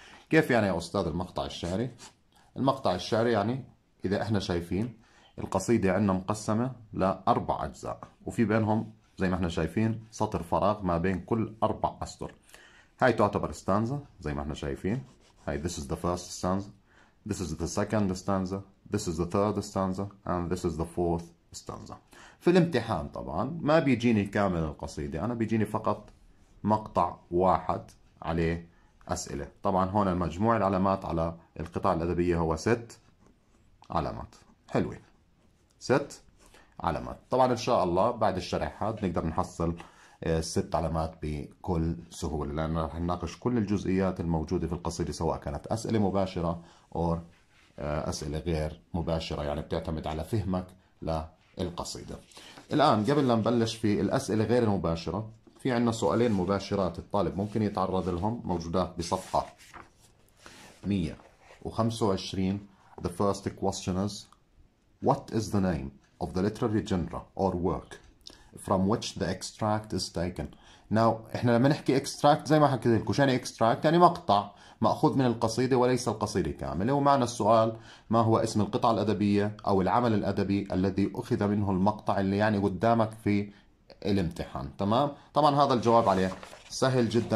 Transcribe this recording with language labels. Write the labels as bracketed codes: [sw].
[ar] كيف يعني يا أستاذ المقطع الشعري؟ المقطع الشعري يعني إذا إحنا شايفين القصيدة عندنا مقسمة لأربع أجزاء وفي بينهم زي ما إحنا شايفين سطر فراغ ما بين كل أربع أسطر. هاي تعتبر ستانزا زي ما إحنا شايفين. [en] هاي this is the first stanza, this is the second stanza, this is the third stanza, and this is the fourth stanza. [ar] في الامتحان طبعا ما بيجيني كامل القصيدة, أنا بيجيني فقط مقطع واحد عليه أسئلة. طبعا هون المجموع العلامات على القطع الأدبية هو 6 علامات. حلوة, 6 علامات. طبعا إن شاء الله بعد الشرحات نقدر نحصل 6 علامات بكل سهولة, لأننا رح نناقش كل الجزئيات الموجودة في القصيدة سواء كانت أسئلة مباشرة أو أسئلة غير مباشرة, يعني بتعتمد على فهمك لا القصيدة. الآن قبل لا نبلش في الأسئلة غير المباشرة, في عنا سؤالين مباشرات الطالب ممكن يتعرض لهم موجودات بصفحة 125. [en] The first question is, what is the name of the literary genre or work from which the extract is taken? [ar] Now إحنا لما نحكي extract زي ما حكيت لكم, شو يعني extract؟ يعني مقطع مأخوذ من القصيدة وليس القصيدة كاملة. ومعنى السؤال, ما هو اسم القطعة الأدبية أو العمل الأدبي الذي أخذ منه المقطع اللي يعني قدامك في الامتحان؟ تمام؟ طبعا هذا الجواب عليه سهل جدا.